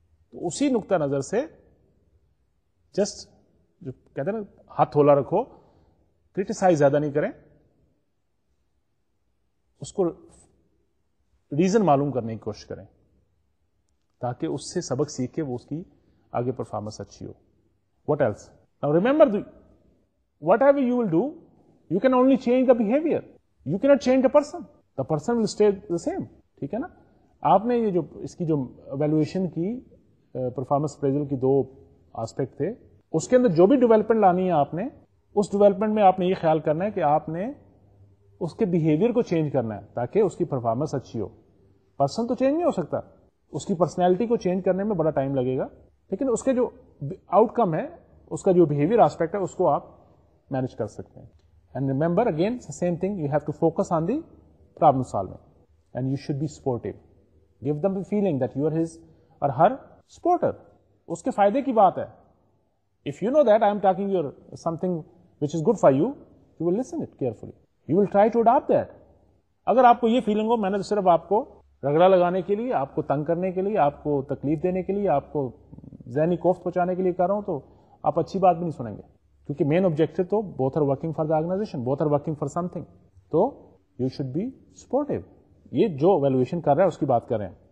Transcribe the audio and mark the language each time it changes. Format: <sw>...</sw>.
<ur>تو اسی نقطہ نظر سے جسٹ جو کہتے ہیں نا ہاتھ ہولا رکھو, کریٹیسائز زیادہ نہیں کریں, اس کو ریزن معلوم کرنے کی کوشش کریں تاکہ اس سے سبق سیکھ کے وہ اس کی آگے پرفارمنس اچھی ہو.</ur> <en>What else? Now remember whatever you will do, you can only change the behaviour, you can't change the person. The person will stay the same.</en> <ur>ٹھیک ہے نا؟ آپ نے یہ جو اس کی جو ایویلویشن کی پرفارمنس اپریزل کی دو آسپیکٹ تھے, اس کے اندر جو بھی ڈیولپمنٹ لانی ہے آپ نے, اس ڈیولپمنٹ میں آپ نے یہ خیال کرنا ہے کہ آپ نے اس کے بیہیویئر کو چینج کرنا ہے تاکہ اس کی پرفارمنس اچھی ہو. پرسن تو چینج نہیں ہو سکتا, اس کی پرسنالٹی کو چینج کرنے میں بڑا ٹائم لگے گا, لیکن اس کے جو آؤٹ کم ہے, اس کا جو بیہیویئر آسپیکٹ ہے, اس کو آپ مینج کر سکتے ہیں.</ur> <en>And remember again same thing, you have to focus on the problem solving and you should be supportive, give them feeling that you are his or her supporter.</en> <ur>اس کے فائدے کی بات ہے.</ur> <en>If you know that I am talking your something which is good for you, you will listen it carefully. You will try to adopt that.</en> <ur>اگر آپ کو یہ feeling ہو میں نے صرف آپ کو رگڑا لگانے کے لیے, آپ کو تنگ کرنے کے لیے, آپ کو تکلیف دینے کے لیے, آپ کو ذہنی کوفت پہنچانے کے لیے کر رہا ہوں, تو آپ اچھی بات بھی نہیں سنیں گے, کیونکہ مین آبجیکٹو تو</ur> <en>Both are working for the organisation, both are working for something.</en> <ur>تو</ur> <en>You should be supportive.</en> <ur>یہ جو ویلویشن کر رہا ہے اس کی بات کر رہے ہیں.</ur>